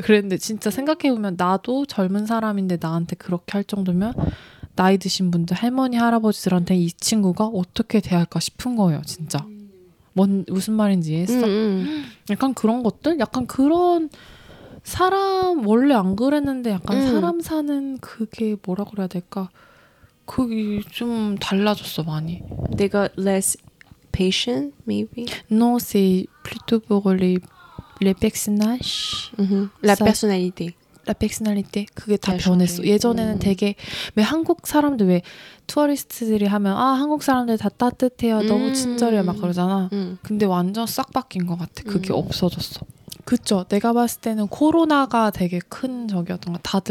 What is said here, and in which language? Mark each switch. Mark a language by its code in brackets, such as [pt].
[ko] 그랬는데 진짜 생각해보면 나도 젊은 사람인데 나한테 그렇게 할 정도면 나이 드신 분들 할머니 할아버지들한테 이 친구가 어떻게 대할까 싶은 거예요. 진짜 무슨 말인지 이해했어? 약간 그런 것들? 약간 그런 사람 원래 안 그랬는데 약간 사람 사는 그게 뭐라 그래야 될까? 그게 좀 달라졌어 많이. [en] 내가 less patient maybe? [fr] No, c'est plutôt pour les personnages. La personnalité. La personnalité. [ko] 그게 다 변했어. 예전에는 되게 왜 한국 사람들 왜 투어리스트들이 하면 아 한국 사람들 다 따뜻해요. 너무 친절해요. 막 그러잖아. 근데 완전 싹 바뀐 것 같아. 그게 없어졌어. 그쵸. 내가 봤을 때는 코로나가 되게 큰 적이었던 것 같아.